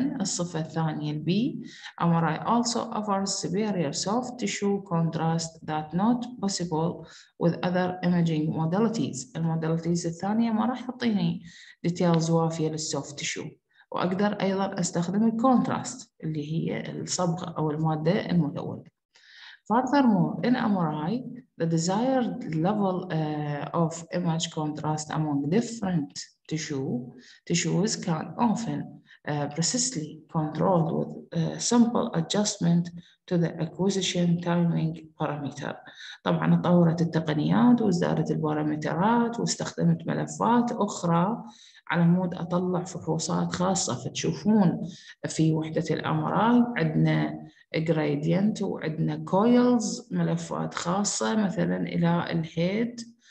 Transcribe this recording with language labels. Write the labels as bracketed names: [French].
[Arabic] الصفه الثانيه البي، [English] MRI also offers superior soft tissue contrast that not possible with other imaging modalities. [Arabic] المودلتيز الثانيه ما راح تعطيني ديتيلز وافيه للسوفت تشو، واقدر ايضا استخدم الكونتراست اللي هي الصبغه او الماده الملونه. [English] Furthermore, in MRI, the desired level of image contrast among different tissues can often precisely controlled with simple adjustment to the acquisition timing parameter. [Arabic] طبعا تطورت التقنيات وزادت البارامترات واستخدمت ملفات اخرى على مود اطلع فحوصات خاصه، فتشوفون في وحده الامراض عندنا جريدينت وعندنا كويلز ملفات خاصه مثلا الى الهيد